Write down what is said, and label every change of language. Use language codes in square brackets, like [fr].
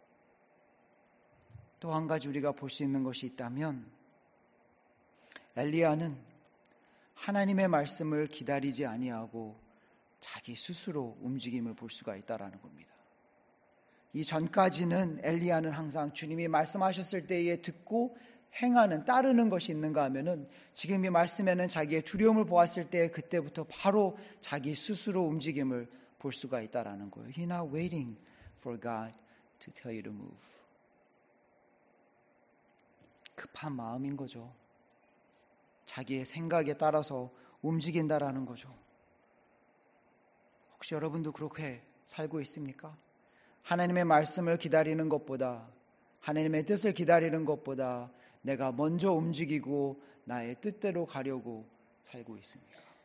[ko] 또 한 가지 우리가 볼 수 있는 것이 있다면 엘리야는 하나님의 말씀을 기다리지 아니하고 자기 스스로 움직임을 볼 수가 있다라는 겁니다. 이 전까지는 엘리야는 항상 주님이 말씀하셨을 때에 듣고 행하는, 따르는 것이 있는가 하면은 지금 이 말씀에는 자기의 두려움을 보았을 때 그때부터 바로 자기 스스로 움직임을 볼 수가 있다라는 거예요. [en] He's not waiting for God to tell you to move. [ko] 급한 마음인 거죠. 자기의 생각에 따라서 움직인다라는 거죠. 혹시 여러분도 그렇게 살고 있습니까? 하나님의 말씀을 기다리는 것보다 하나님의 뜻을 기다리는 것보다 내가 먼저 움직이고 나의 뜻대로 가려고 살고 있습니다.